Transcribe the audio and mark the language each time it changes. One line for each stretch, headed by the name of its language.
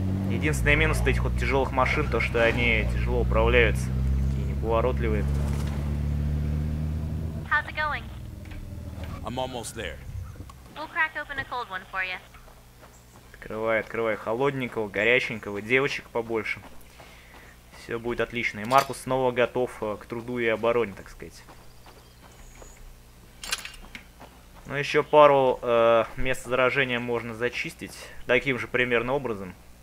Russian: Единственный минус этих вот тяжелых машин, то что они тяжело управляются и неповоротливые.
English: How's it going? I'm almost there. We'll crack open a cold one for you.
Russian: Открывай, открывай холодненького, горяченького, девочек побольше. Все будет отлично. И Маркус снова готов к труду и обороне, так сказать. Ну еще пару мест заражения можно зачистить таким же примерно образом.